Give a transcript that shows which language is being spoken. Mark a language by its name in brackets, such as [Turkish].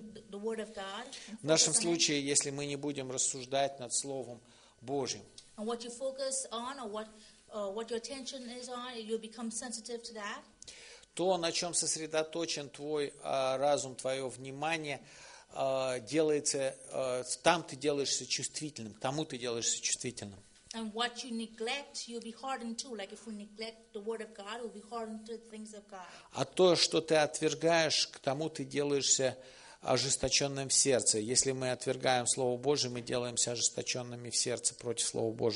[Russian] В нашем случае, если мы не будем рассуждать над Словом Божьим, [English] and what you focus on or what your attention is on, you become sensitive to that. [Russian] То, на чем сосредоточен твой разум, твое внимание, делается, там ты делаешься чувствительным, тому ты делаешься чувствительным. [English] And what you neglect, you'll be hardened too. Like if we neglect the word of God, we'll be hardened to the things of God. [Russian] А то, что ты отвергаешь, к тому ты делаешься ожесточенным в сердце. Если мы отвергаем Слово Божие, мы делаемся ожесточенными в сердце против Слова